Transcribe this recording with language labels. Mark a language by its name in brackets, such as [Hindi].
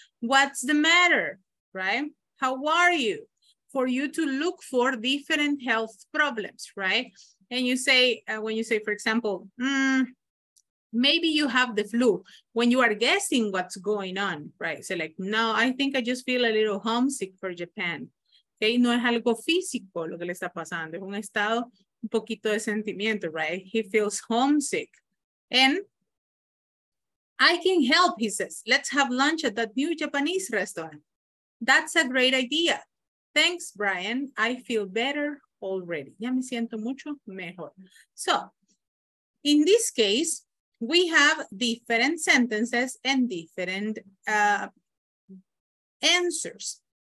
[English] What's the matter, right? How are you? For you to look for different health problems, right? And you say, when you say, for example, maybe you have the flu, when you are guessing what's going on, right? So like, no, I think I just feel a little homesick for Japan. [Spanish] Okay, no es algo físico lo que le está pasando, es un estado, un poquito de sentimiento, right? [English] He feels homesick. And I can help, he says. Let's have lunch at that new Japanese restaurant. That's a great idea. Thanks, Brian. I feel better already. [Spanish] Ya me siento mucho mejor. [English] So, in this case, we have different sentences and different answers.